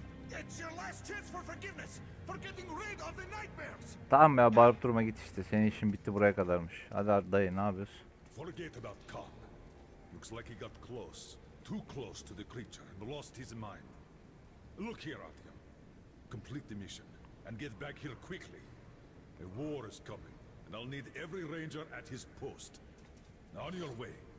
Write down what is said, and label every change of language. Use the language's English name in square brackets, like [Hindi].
[English] It's your last chance for forgiveness, for getting rid of the nightmares. [Turkish] Tamam ya, bağırıp durma, git işte. Senin işin bitti buraya kadarmış. Hadi dayı, ne yapıyorsun? [English] Forget about Khan. Looks like he got close, too close to the creature and lost his mind. Look here, Artyom. Complete the mission and get back here quickly. A war is coming and I'll need every ranger at his post. On your way.